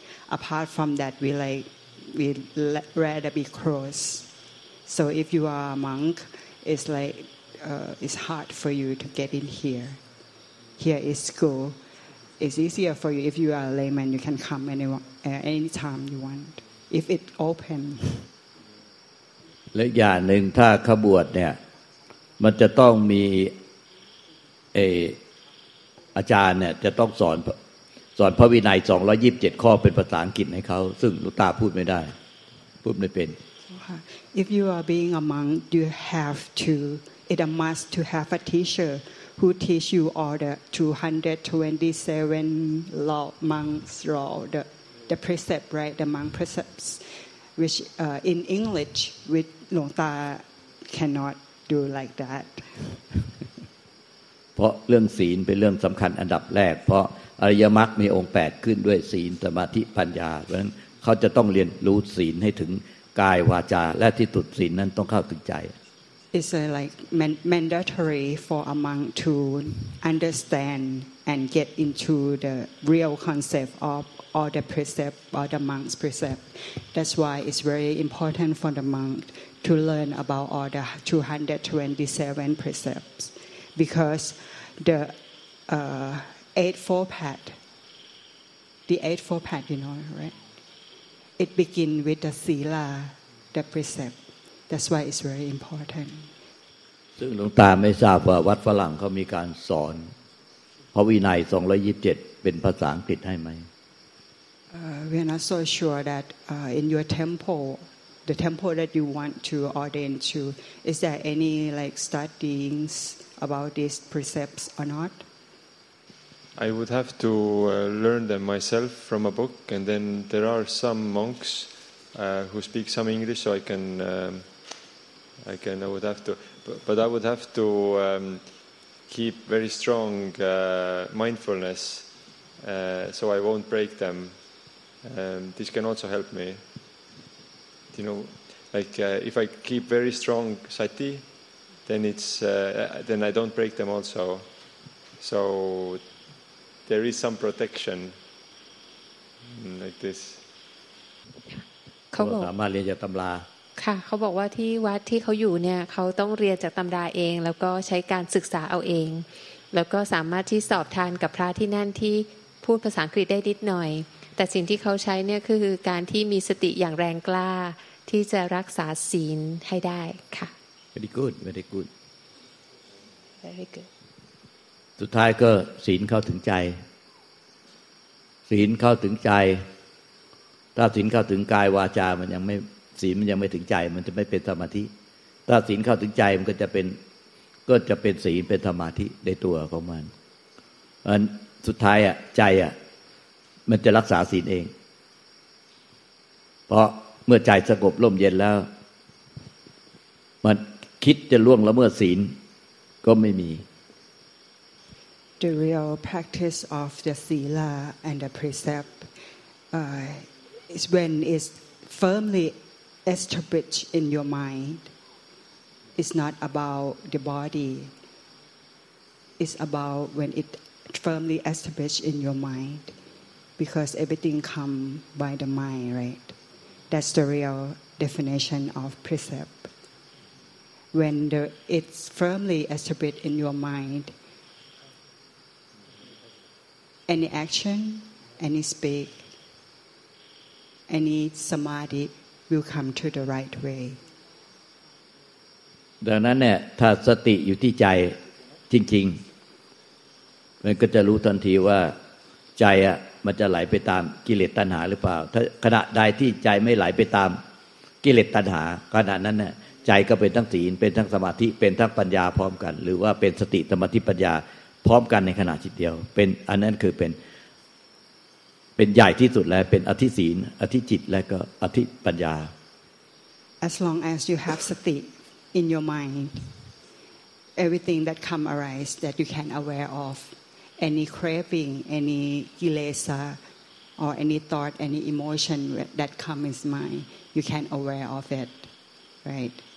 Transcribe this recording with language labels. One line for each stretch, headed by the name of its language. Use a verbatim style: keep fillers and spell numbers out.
English: Apart from that, we like we rather be close. So if you are a monk, it's like. Uh, it's hard for you to get in here. Here is school. It's easier for you if you are a layman. You can come any uh, any time you want if it open.
Thai: และอย่างหนึ่งถ้าขบวชเนี่ยมันจะต้องมีเอออาจารย์เนี่ยจะต้องสอนสอนพระวินัยสองร้อยยี่สิบเจ็ดข้อเป็นภาษาอังกฤษให้เขาซึ่งหลวงตาพูดไม่ได้พูดไม่เป็น
English: If you are being a monk, you have to. It's a must to have a teacher who teach you all the two hundred twenty-seven law, monks law, the, the precept, right? The monk precepts, which uh, in English, with Luang Ta cannot do like that.
Thai: เพราะเรื่องศีลเป็นเรื่องสำคัญอันดับแรกเพราะอริยมรรคมีองค์แปดขึ้นด้วยศีลสมาธิปัญญาเพราะฉะนั้นเขาจะต้องเรียนรู้ศีลให้ถึงกายวาจาและที่สุดศีลนั้นต้องเข้าถึงใจ
English: It's uh, like man- mandatory for a monk to understand and get into the real concept of all the precept, all the monk's precept. That's why it's very important for the monk to learn about all the two hundred twenty-seven precepts, because the uh, eightfold path, the eightfold path, you know, right? It begins with the sila, the precept. That's why it's very important.
Thai: ซึ่งหลวงตาไม่ทราบว่าวัดฝรั่งเขามีการสอนพระวินัยสองร้อยยี่สิบเจ็ดเป็นภาษาอังกฤษให้ไหม
English: uh, We are not so sure that uh, in your temple, the temple that you want to ordain to, is there any like studyings about these precepts or not? I would have to uh, learn them myself from a book, and then there are some monks. Uh, who speak some English, so I can, um, I can, I would have to, but, but I would have to um, keep very strong uh, mindfulness, uh, so I won't break them. Um, this can also help me. You know, like uh, if I keep very strong sati, then it's, uh, then I don't break them also. So there is some protection, like this.
Thai: เขาสามารถเรียนจากตำรา ค่ะเขาบอกว่าที่วัดที่เขาอยู่เนี่ยเขาต้องเรียนจากตำราเองแล้วก็ใช้การศึกษาเอาเองแล้วก็สามารถที่สอบทานกับพระที่นั่นที่พูดภาษาอังกฤษได้นิดหน่อยแต่สิ่งที่เขาใช้เนี่ยคือการที่มีสติอย่างแรงกล้าที่จะรักษาศีลให้ได้ค่ะ
English: Very good Very good Very good
Thai: สุดท้ายก็ศีลเข้าถึงใจศีลเข้าถึงใจถ้าศีลเข้าถึงกายวาจามันยังไม่ศีลมันยังไม่ถึงใจมันจะไม่เป็นสมาธิถ้าศีลเข้าถึงใจมันก็จะเป็นก็จะเป็นศีลเป็นสมาธิในตัวของมันอันสุดท้ายอ่ะใจอ่ะมันจะรักษาศีลเองเพราะเมื่อใจสงบร่มเย็นแล้วมันคิดจะล่วงละเมิดศีลก็ไม่มี
English: The real practice of the sila and the precept uh, is when it's firmly established in your mind. It's not about the body. It's about when it firmly established in your mind. Because everything comes by the mind, right? That's the real definition of precept. When the, it's firmly established in your mind, any action, any speak, any samadhi will come to the right way.
Thai: ดังนั้นเนี่ยถ้าสติอยู่ที่ใจจริงๆมันก็จะรู้ทันทีว่าใจอ่ะมันจะไหลไปตามกิเลสตัณหาหรือเปล่าถ้าขณะใดที่ใจไม่ไหลไปตามกิเลสตัณหาขณะนั้นน่ะใจก็เป็นทั้งศีลเป็นทั้งสมาธิเป็นทั้งปัญญาพร้อมกันหรือว่าเป็นสติสมาธิปัญญาพร้อมกันในขณะจิตเดียวเป็นอันนั้นคือเป็นเป็นใหญ่ที่สุดแล้วเป็นอธิศีลอธิจิตและก็อธิปัญญา
English: As long as you have sati in your mind everything that come arise that you can aware of any craving, any kilesa, or any thought, any emotion that comes in mind, you can aware of it, right?